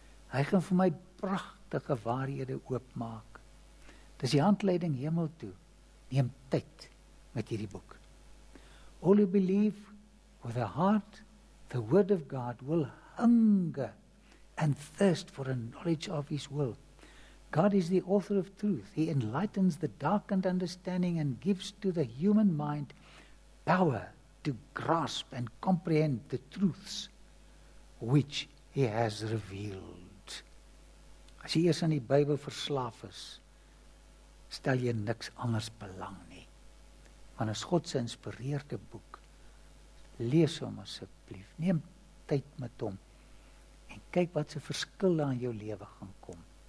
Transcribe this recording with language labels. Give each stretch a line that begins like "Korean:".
Afrikaans: Hy gaan vir my pragtige waarhede oopmaak. Dis die handleiding hemel toe. Neem tyd met hierdie boek.
English: All who believe with a heart, the word of God will hunger and thirst for a knowledge of his will. God is the author of truth. He enlightens the darkened understanding and gives to the human mind power to grasp and comprehend the truths which he has revealed.
Afrikaans: As jy eers aan die Bybel verslaaf is, stel jy niks anders belang nie. Want as God se geïnspireerde boek, lees hom asseblief. Neem tyd met hom en kyk wat se verskille aan jou lewe gaan kom.